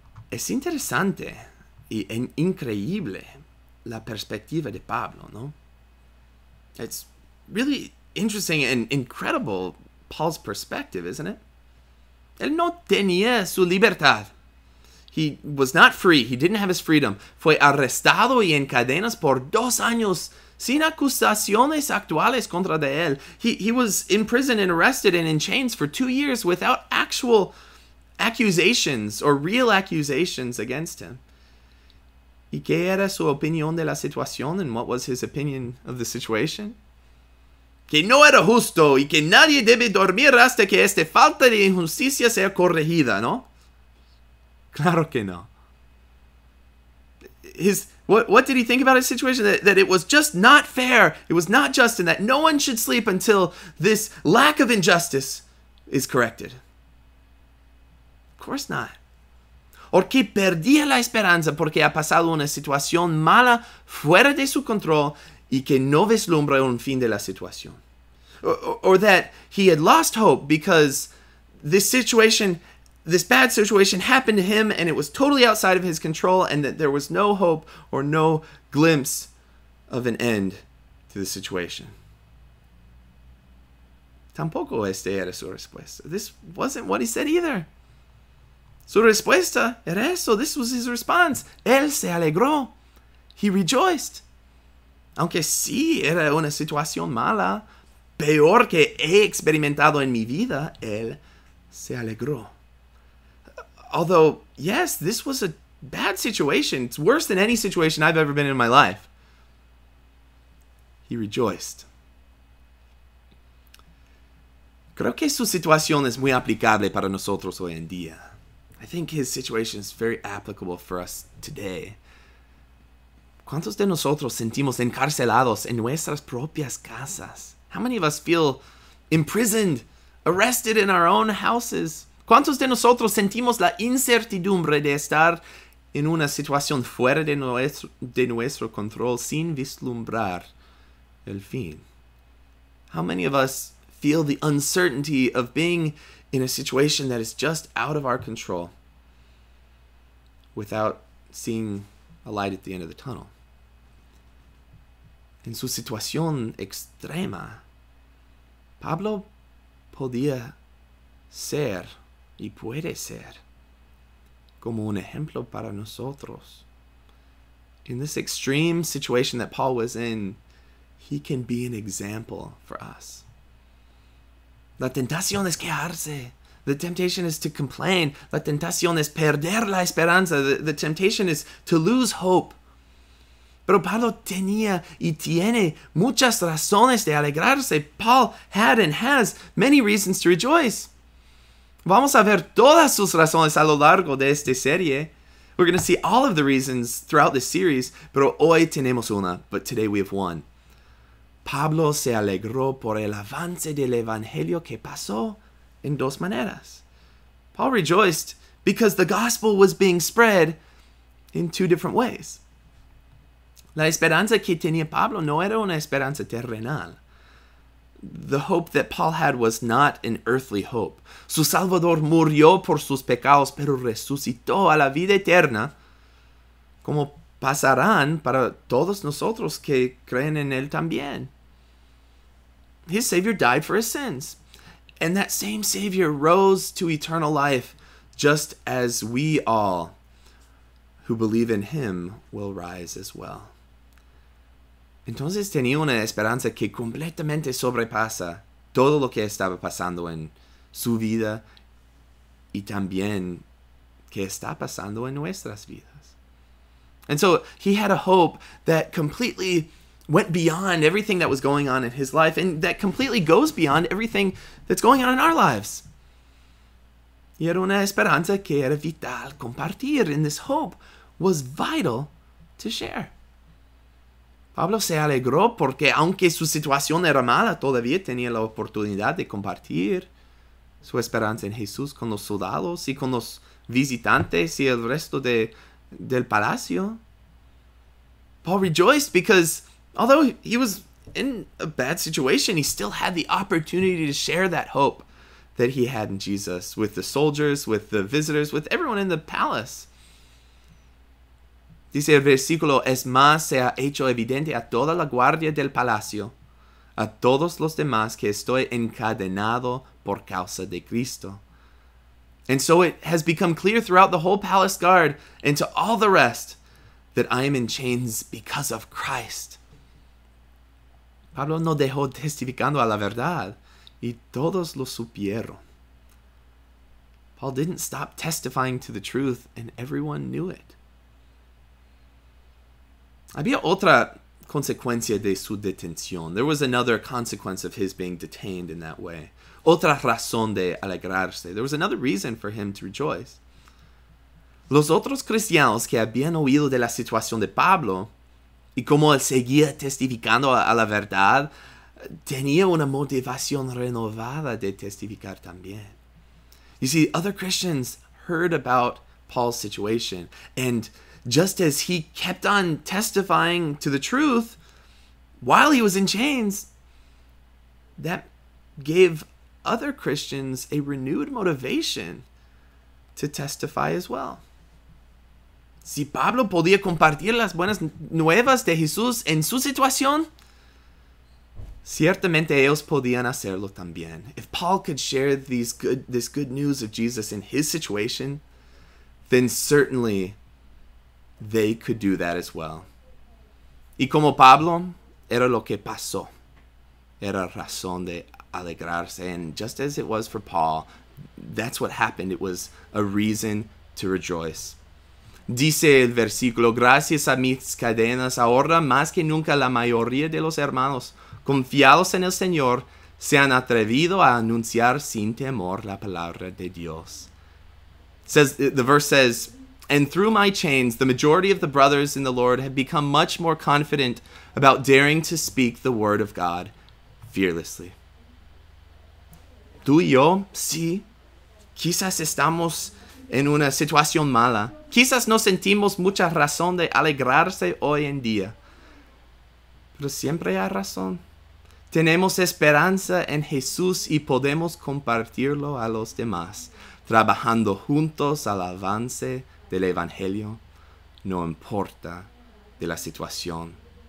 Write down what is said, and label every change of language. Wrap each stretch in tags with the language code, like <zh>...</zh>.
<es>Es interesante y increíble la perspectiva de Pablo, ¿no?</es> <en>It's really interesting and incredible, Paul's perspective, isn't it?</en> <es>Él no tenía su libertad.</es> <en>He was not free. He didn't have his freedom.</en> <es>Fue arrestado y en cadenas por 2 años sin acusaciones actuales contra de él.</es> <en>He was in prison and arrested and in chains for 2 years without actual accusations or real accusations against him.</en> <es>¿Y qué era su opinión de la situación?</es> <en>And what was his opinion of the situation?</en> <es>Que no era justo y que nadie debe dormir hasta que esta falta de injusticia sea corregida, ¿no? Claro que no.</es> <en>What did he think about his situation? That it was just not fair, it was not just, and that no one should sleep until this lack of injustice is corrected. Of course not.</en> <es>O que perdía la esperanza porque ha pasado una situación mala fuera de su control y que no vislumbra un fin de la situación.</es> <en>Or that he had lost hope because this bad situation happened to him and it was totally outside of his control and that there was no hope or no glimpse of an end to the situation.</en> <es>Tampoco este era su respuesta.</es> <en>This wasn't what he said either.</en> <es>Su respuesta era eso.</es> <en>This was his response.</en> <es>Él se alegró.</es> <en>He rejoiced.</en> <es>Aunque sí era una situación mala, peor que he experimentado en mi vida, él se alegró.</es> <en>Although, yes, this was a bad situation. It's worse than any situation I've ever been in my life. He rejoiced.</en> <es>Creo que su situación es muy aplicable para nosotros hoy en día.</es> <en>I think his situation is very applicable for us today.</en> <es>¿Cuántos de nosotros sentimos encarcelados en nuestras propias casas?</es> <en>How many of us feel imprisoned, arrested in our own houses?</en> <es>¿Cuántos de nosotros sentimos la incertidumbre de estar en una situación fuera de nuestro control sin vislumbrar el fin?</es> <en>How many of us feel the uncertainty of being in a situation that is just out of our control without seeing a light at the end of the tunnel?</en> <es>En su situación extrema, Pablo podía ser y puede ser como un ejemplo para nosotros.</es> <en>In this extreme situation that Paul was in, he can be an example for us.</en> <es>La tentación es quejarse.</es> <en>The temptation is to complain.</en> <es>La tentación es perder la esperanza.</es> <en>The temptation is to lose hope.</en> <es>Pero Pablo tenía y tiene muchas razones de alegrarse.</es> <en>Paul had and has many reasons to rejoice.</en> <es>Vamos a ver todas sus razones a lo largo de esta serie.</es> <en>We're going to see all of the reasons throughout this series,</en> <es>pero hoy tenemos una,</es> <en>but today we have one.</en> <es>Pablo se alegró por el avance del evangelio que pasó en dos maneras.</es> <en>Paul rejoiced because the gospel was being spread in 2 different ways.</en> <es>La esperanza que tenía Pablo no era una esperanza terrenal.</es> <en>The hope that Paul had was not an earthly hope.</en> <es>Su Salvador murió por sus pecados, pero resucitó a la vida eterna, como pasarán para todos nosotros que creen en él también.</es> <en>His Savior died for his sins, and that same Savior rose to eternal life, just as we all who believe in him will rise as well.</en> <es>Entonces tenía una esperanza que completamente sobrepasa todo lo que estaba pasando en su vida y también que está pasando en nuestras vidas.</es> <en>And so he had a hope that completely went beyond everything that was going on in his life, and that completely goes beyond everything that's going on in our lives.</en> <es>Y era una esperanza que era vital compartir,</es> <en>and this hope was vital to share.</en> <es>Pablo se alegró porque aunque su situación era mala, todavía tenía la oportunidad de compartir su esperanza en Jesús con los soldados y con los visitantes y el resto del palacio.</es> <en>Paul rejoiced because although he was in a bad situation, he still had the opportunity to share that hope that he had in Jesus with the soldiers, with the visitors, with everyone in the palace.</en> <es>Dice el versículo, es más, se ha hecho evidente a toda la guardia del palacio, a todos los demás, que estoy encadenado por causa de Cristo.</es> <en>And so it has become clear throughout the whole palace guard and to all the rest that I am in chains because of Christ.</en> <es>Pablo no dejó testificando a la verdad, y todos lo supieron.</es> <en>Paul didn't stop testifying to the truth, and everyone knew it.</en> <es>Había otra consecuencia de su detención.</es> <en>There was another consequence of his being detained in that way.</en> <es>Otra razón de alegrarse.</es> <en>There was another reason for him to rejoice.</en> <es>Los otros cristianos que habían oído de la situación de Pablo y cómo él seguía testificando a la verdad, tenía una motivación renovada de testificar también.</es> <en>You see, other Christians heard about Paul's situation, and just as he kept on testifying to the truth while he was in chains, that gave other Christians a renewed motivation to testify as well.</en> <es>Si Pablo podía compartir las buenas nuevas de Jesús en su situación, ciertamente ellos podían hacerlo también.</es> <en>If Paul could share this good news of Jesus in his situation, then certainly they could do that as well.</en> <es>Y como Pablo, era lo que pasó. Era razón de alegrarse.</es> <en>And just as it was for Paul, that's what happened. It was a reason to rejoice.</en> <es>Dice el versículo, gracias a mis cadenas, ahora más que nunca la mayoría de los hermanos confiados en el Señor se han atrevido a anunciar sin temor la palabra de Dios.</es> <en>The verse says, and through my chains, the majority of the brothers in the Lord have become much more confident about daring to speak the word of God fearlessly.</en> <es>Tú y yo, sí, quizás estamos en una situación mala. Quizás no sentimos mucha razón de alegrarse hoy en día. Pero siempre hay razón. Tenemos esperanza en Jesús y podemos compartirlo a los demás, trabajando juntos al avance del Evangelio, no importa de la situación.</es>